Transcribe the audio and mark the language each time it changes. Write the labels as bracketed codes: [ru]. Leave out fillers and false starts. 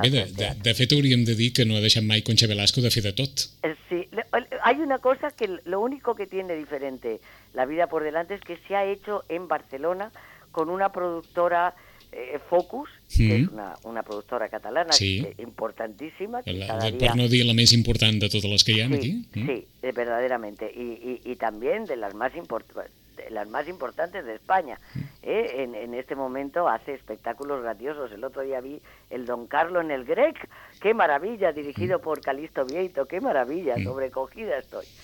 [ca] Mira, de fet, hauríem de dir que no ha deixat mai Concha Velasco de fer de tot. [es] Sí, hay una cosa que lo único que tiene diferente la vida por delante es que se ha hecho en Barcelona con una productora Focus, que es una productora catalana importantísima. [ca] Per no dir la més important de totes les que hi ha aquí. [es] Sí, verdaderamente. Y también de las más importantes. Las más importantes de España, en este momento hace espectáculos grandiosos. El otro día vi el Don Carlo en el Grec, qué maravilla, dirigido por Calisto Vieito, qué maravilla, sobrecogida estoy.